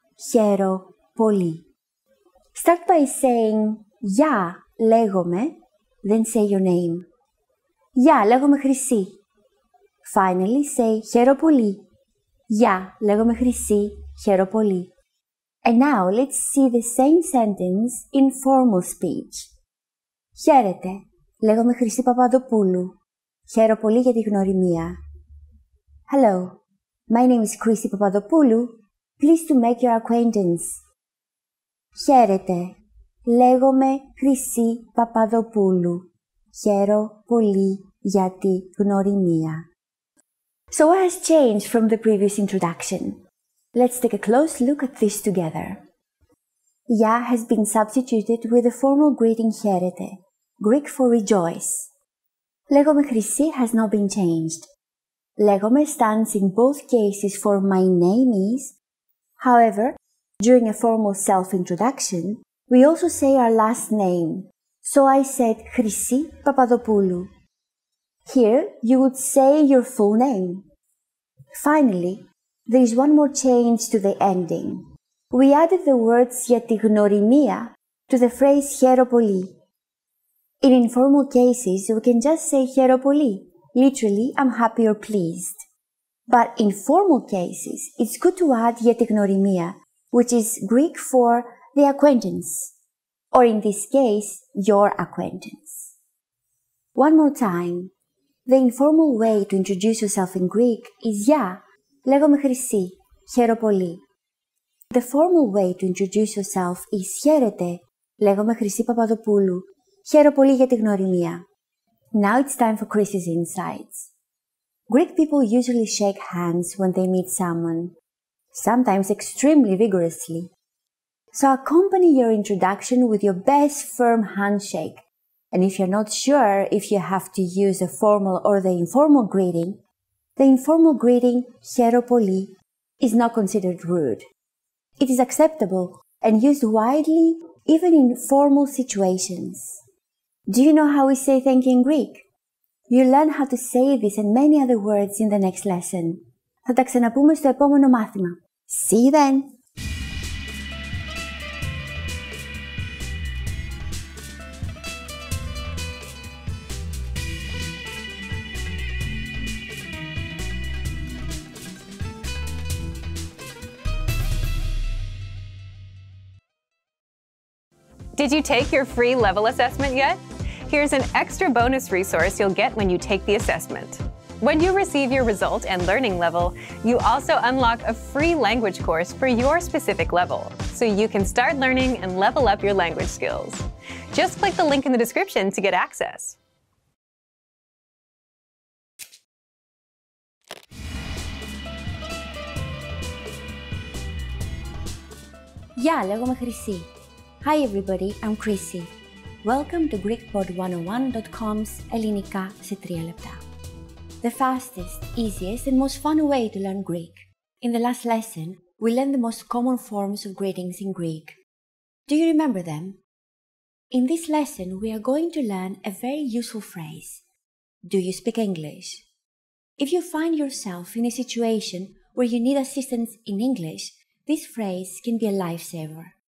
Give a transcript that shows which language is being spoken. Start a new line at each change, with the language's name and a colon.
Greek: Χαίρο πολύ.
English: Start by saying
Greek: Γεια, λέγομαι,
English: then say your name.
Greek: Γεια, λέγομαι Χρυσή.
English: Finally, say
Greek: χαίρο πολύ. Γεια, λέγομαι Χρυσή. Χαίρο πολύ.
English: And now, let's see the same sentence in formal speech.
Greek: Χαίρετε. Λέγομαι Χρυσή Παπαδοπούλου. Χαίρο πολύ για τη γνωριμία.
English: Hello. My name is Chrissy Papadopoulou. Pleased to make your acquaintance.
Greek: Χαίρετε. Λέγομαι Χρυσή Παπαδοπούλου. Χαίρο πολύ για τη γνωριμία.
English: So what has changed from the previous introduction? Let's take a close look at this together. Γεια has been substituted with the formal greeting χαίρετε, Greek for rejoice. Λέγομαι Χρυσή has not been changed. Λέγομαι stands in both cases for my name is. However, during a formal self-introduction, we also say our last name. So I said Χρυσή Παπαδοπούλου. Here, you would say your full name. Finally, there is one more change to the ending. We added the words
Greek: για τη γνωριμία
English: to the phrase
Greek: χαίρω πολύ.
English: In informal cases, we can just say
Greek: χαίρω πολύ.
English: Literally, I'm happy or pleased. But in formal cases, it's good to add
Greek: για τη γνωριμία,
English: which is Greek for the acquaintance, or in this case, your acquaintance. One more time. The informal way to introduce yourself in Greek is
Greek: «Γεια, λέγομαι Χρυσή, χαίρω πολύ».
English: The formal way to introduce yourself is
Greek: «Χαίρετε, λέγομαι Χρυσή Παπαδοπούλου, χαίρω πολύ για τη γνωριμία».
English: Now it's time for Chris's insights. Greek people usually shake hands when they meet someone, sometimes extremely vigorously. So accompany your introduction with your best firm handshake. And if you're not sure if you have to use the formal or the informal greeting,
Greek: χαίρω πολύ,
English: is not considered rude. It is acceptable and used widely even in formal situations. Do you know how we say thank you in Greek? You'll learn how to say this and many other words in the next lesson.
Greek: Θα τα ξαναπούμε στο επόμενο μάθημα.
English: See you then! Did you take your free level assessment yet? Here's an extra bonus resource you'll get when you take the assessment. When you receive your result and learning level, you also unlock a free language course for your specific level, so you can start learning and level up your language skills. Just click the link in the description to get access. Yeah,
Greek: λέγομαι Χρυσή.
English: Hi everybody, I'm Chrissy. Welcome to GreekPod101.com's
Greek: Ελληνικά σε 3 λεπτά.
English: The fastest, easiest and most fun way to learn Greek. In the last lesson, we learned the most common forms of greetings in Greek. Do you remember them? In this lesson, we are going to learn a very useful phrase. Do you speak English? If you find yourself in a situation where you need assistance in English, this phrase can be a lifesaver.